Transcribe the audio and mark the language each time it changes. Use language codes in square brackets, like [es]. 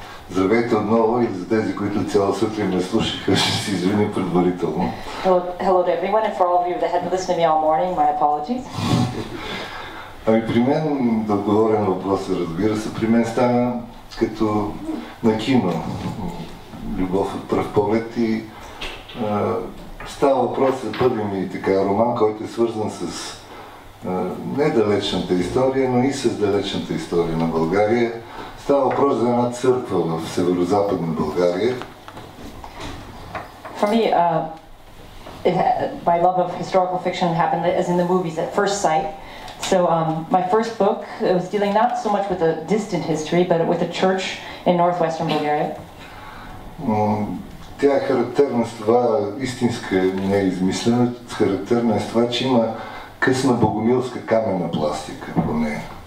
[bg] Здравейте отново и за тези, които цяла сутрин не слушаха, ще се извиня предварително. [en] Hello to everyone, and for all of you that had listened to me all morning, my apologies. [bg] Ами при мен, да отговоря на въпроса, разбира се, при мен стана като на кино. Любов от пръв поглед и става въпрос за първи ми така роман, който е свързан с недалечната история, но и с далечната история на България. Става въпрос за една църква в Северо-Западна България. [en] For me, my love of historical fiction happened as in the movies, at first sight. So my first book, it was dealing not so much with a distant history, but with a church in northwestern Bulgaria. [bg] Тя е характерна с това, истинска не е измислена, характерна е с това, че има късна богомилска каменна пластика по нея.